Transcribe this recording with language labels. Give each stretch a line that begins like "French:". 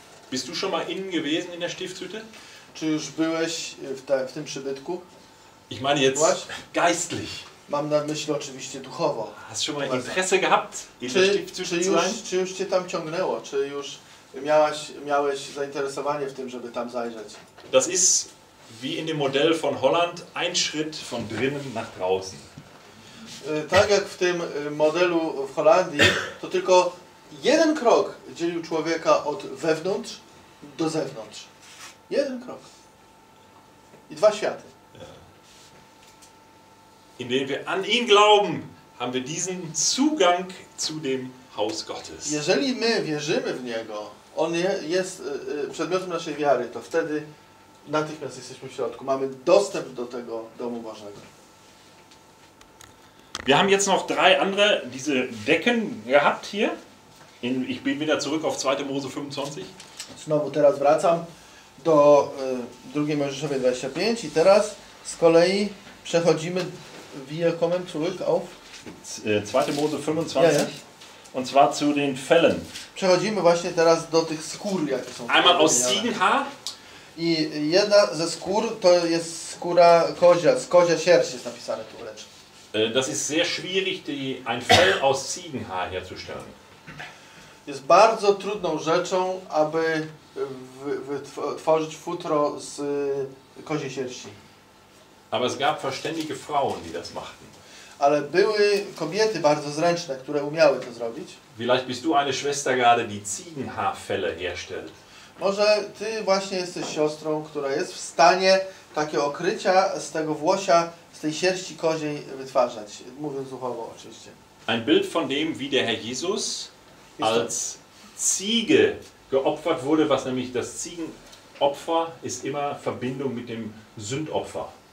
German: Bist du schon mal innen gewesen in der Stiftshütte?
Polish: Czy już byłeś w tym przybytku?
German: Ich meine jetzt
Polish: byłaś?
German: Geistlich.
Polish: Mam na myśli oczywiście duchowo.
German: Hast schon mal Interesse gehabt?
Polish: Czy już cię tam ciągnęło? Czy już miałeś zainteresowanie w tym, żeby tam zajrzeć?
German: Das ist wie in dem Modell von Holland ein Schritt von drinnen nach draußen.
Polish: Tak jak w tym modelu w Holandii, to tylko jeden krok dzielił człowieka od wewnątrz do zewnątrz. Jeden krok. I dwa światy.
German: Indem wir an ihn glauben, haben wir diesen Zugang zu dem Haus Gottes.
Polish: Jeżeli my wierzymy w Niego, On jest przedmiotem naszej wiary, to wtedy natychmiast jesteśmy w środku. Mamy dostęp do tego domu Bożego.
German: Wir haben jetzt noch drei andere diese Decken gehabt hier. Ich bin wieder zurück auf 2. Mose 25.
Polish: Znowu teraz wracam do 2. Mojżeszowej 25 i teraz z kolei przechodzimy.
German: Wir kommen zurück auf 2. Mose 25 ja. Und zwar zu den Fellen.
Polish: Przechodzimy właśnie teraz do tych skór, jakie są.
German: Einmal aus Ziegenhaar.
Polish: I jedna ze skór to jest skóra kozia, z kozia sierść jest napisane tu lecz.
German: Das ist sehr schwierig, ein Fell aus Ziegenhaar herzustellen.
Polish: Jest bardzo trudną rzeczą, aby wytworzyć futro z koziej sierści.
German: Aber es gab verständige Frauen, die das machten.
Polish: Ale były kobiety bardzo zręczne, które umiały to zrobić.
German: Vielleicht bist du eine Schwester gerade, die Ziegenhaarfelle herstellt.
Polish: Może ty właśnie jesteś siostrą, która jest w stanie takie okrycia z tego włosia, z tej sierści koziej wytwarzać. Mówiąc duchowo oczywiście.
German: Ein Bild von dem, wie der Herr Jesus als Ziege geopfert wurde, was nämlich das Ziegenopfer ist immer Verbindung mit dem Sündopfer.